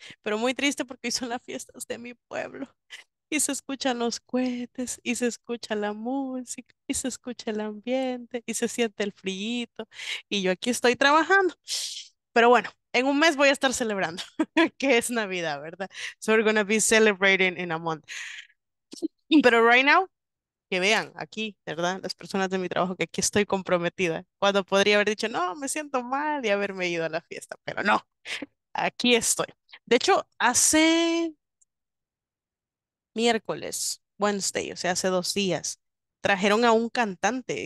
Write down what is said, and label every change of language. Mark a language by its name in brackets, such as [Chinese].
[Spanish] Pero muy triste porque hoy son las fiestas de mi pueblo. Y se escuchan los cohetes, y se escucha la música, y se escucha el ambiente, y se siente el frío. Y yo aquí estoy trabajando. Pero bueno, en un mes voy a estar celebrando, que es Navidad, ¿verdad? [English] So we're gonna be celebrating in a month. [Spanish] Pero [English] right now, [Spanish] que vean aquí, ¿verdad? Las personas de mi trabajo, que aquí estoy comprometida. Cuando podría haber dicho, no, me siento mal y haberme ido a la fiesta, pero no, aquí estoy. De hecho, hace miércoles, Wednesday, o sea, hace 2 días, trajeron a un cantante.